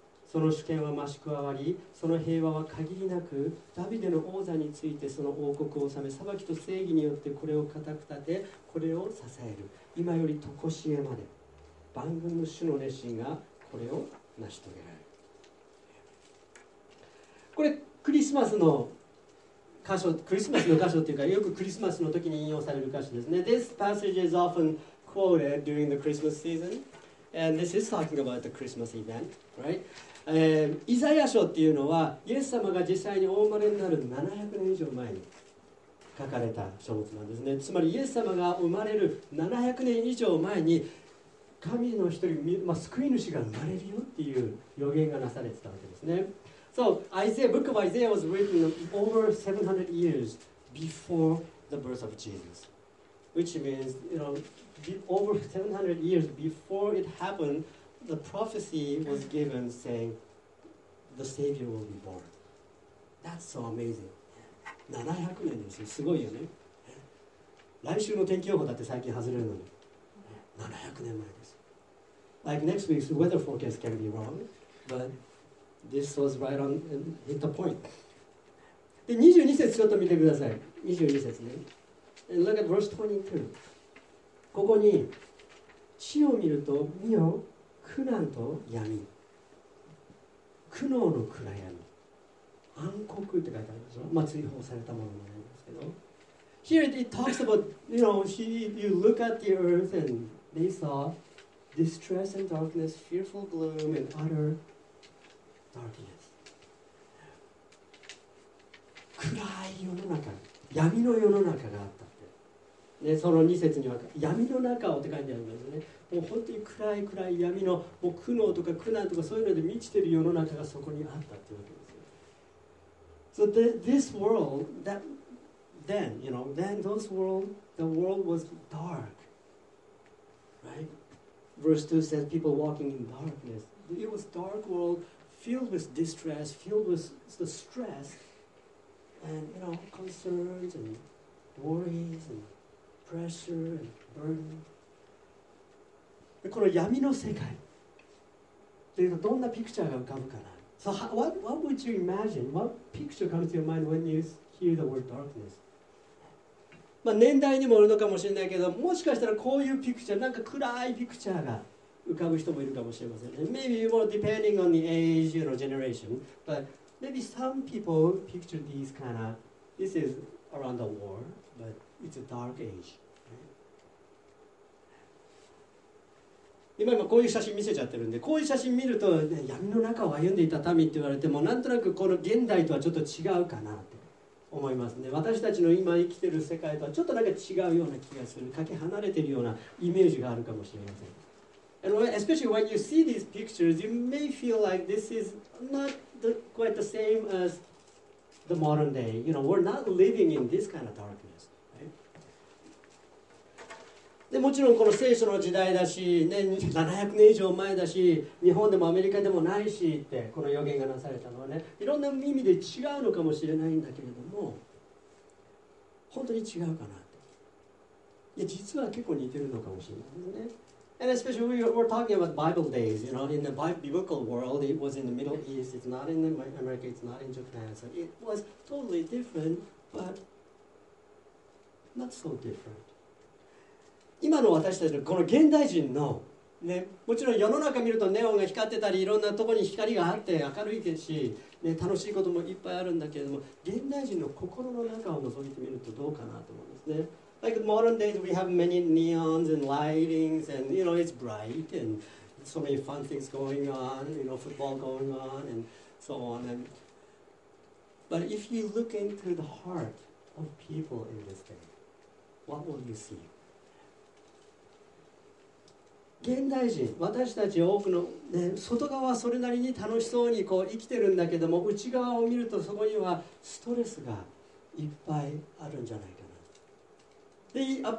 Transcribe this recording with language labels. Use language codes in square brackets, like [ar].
[ja] その主権は増し加わり、その平和は限りなく、ダビデの王座についてその王国を治め、裁きと正義によってこれを固く立て、これを支える、今より常しえまで万軍の主の熱心がこれを成し遂げられる。これクリスマスの箇所、クリスマスの箇所っていうか、よくクリスマスの時に引用される箇所ですね。 [en] This passage is often quoted during the Christmas season, and this is talking about the Christmas event, right? [ja] イザヤ書っていうのはイエス様が実際にお生まれになる700年以上前に書かれた書物なんですね。つまりイエス様が生まれる700年以上前に神の一人、救い主が生まれるよっていう予言がなされてたわけですね。 [en] So, Isaiah, Book of Isaiah was written over 700 years before the birth of Jesus. Which means, you know, over 700 years before it happened, the prophecy was given saying, the Savior will be born. That's so amazing. [ja] 700年ですよ。すごいよね。来週の天気予報だって最近外れるのに。 700年前。 [en] Like next week's weather forecast can be wrong, but this was right on hit the point. [ja] で、22節ちょっと見てください。 22節ね。 [en] And look at verse 22. [ja] ここに、地を見ると、見よ、苦難と闇。苦悩の暗闇。暗黒って書いてあるでしょ、まあ、追放されたものなんですけど。 [en] Here it talks about, you know, he, you look at the earth and they saw distress and darkness, fearful gloom and utter darkness. [ja] 暗い世の中、闇の世の中があったって。で、その2節には闇の中をって書いてあるんですね。もう本当に暗い暗い闇のもう苦悩とか苦難とかそういうので満ちてる世の中がそこにあったってわけですよ。 [en] So the, this world, that, then, you know, then those world, the world was dark. Right? Verse 2 says people walking in darkness. It was dark world filled with distress, filled with the stress and, you know, concerns and worries and pressure and burden. [ja] この闇の世界というとどんなピクチャーが浮かぶかな。 [en] So what would you imagine? What picture comes to your mind when you hear the word darkness? [ja] まあ年代にもよるのかもしれないけど、もしかしたらこういうピクチャー、なんか暗いピクチャーが浮かぶ人もいるかもしれません。 [en] Maybe more depending on the age, you know, generation. But maybe some people picture these kind of, this is around the war, but it's a dark age. [ja] 今こういう写真見せちゃってるんで、こういう写真見ると、ね、闇の中を歩んでいた民って言われても、なんとなくこの現代とはちょっと違うかなって思いますね。私たちの今生きてる世界とはちょっとなんか違うような気がする、かけ離れてるようなイメージがあるかもしれません。 [en] And especially when you see these pictures, you may feel like this is not the, quite the same as the modern day. You know, we're not living in this kind of darkness. [ja] でもちろんこの聖書の時代だし、ね、700年以上前だし、日本でもアメリカでもないしってこの予言がなされたのはね、いろんな意味で違うのかもしれないんだけれども、本当に違うかなって。いや、実は結構似てるのかもしれないですね。 [en] And especially we're talking about Bible days, you know, in the biblical world, it was in the Middle East, it's not in America, it's not in Japan, so it was totally different, but not so different. [ja] 今の私たちのこの現代人の、ね、もちろん世の中見るとネオンが光ってたり、いろんなところに光があって明るいですし、ね、楽しいこともいっぱいあるんだけれども、現代人の心の中を覗いてみるとどうかなと思うんですね。 [en] Like modern days we have many neons and lightings and you know it's bright and so many fun things going on, you know, football going on and so on and... But if you look into the heart of people in this day, what will you see? [ja] 現代人、私たち多くの、ね、外側はそれなりに楽しそうにこう生きてるんだけども、内側を見るとそこにはストレスがいっぱいあるんじゃないかな。